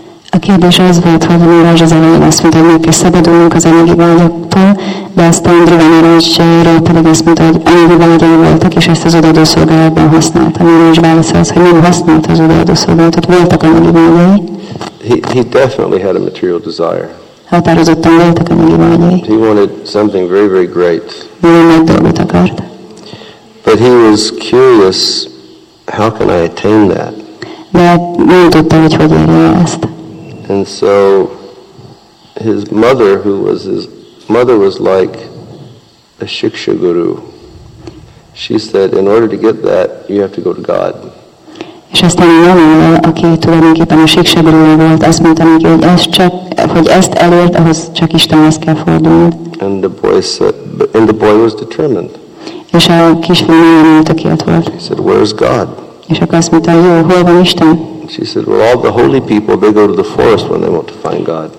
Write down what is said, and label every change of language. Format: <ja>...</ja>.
<hu>A kérdés az volt, hogy Maharaj az elején azt mondta, hogy meg kell szabadulnunk az anyagi vágyaktól, de aztán Dhruva Maharajról pedig azt mondta, hogy anyagi vágyai voltak, és ezt az odaadó szolgálatban használta. Maharaj válasz az, hogy nem használta az odaadó szolgálatot, voltak anyagi vágyai.</hu> <en>He definitely had a material desire.</en> <hu>Határozottan voltak anyagi vágyai.</hu> <en>He wanted something very, very great.</en> <hu>Nagyon nagy dolgot akart.</hu> <en>But he was curious, how can I attain that?</en> <hu>De nem tudta, hogy hogy érje ezt.</hu> <en>And so his mother, who was his mother, was like a shiksha guru. She said, in order to get that, you have to go to God.</en> <hu>És aztán a mamája, aki tulajdonképpen a shiksha guru volt, azt mondta neki, hogy ezt elért, ahhoz csak Istenhez kell fordulni.</hu> <en>And the boy was determined.</en> <hu>És a kisfiú nagyon tökélt volt.</hu> <en>She said, where's God?</en> <hu>És akkor azt mondta, jó, hol van Isten?</hu> <en>She said, well, all the holy people, they go to the forest when they want to find God.</en>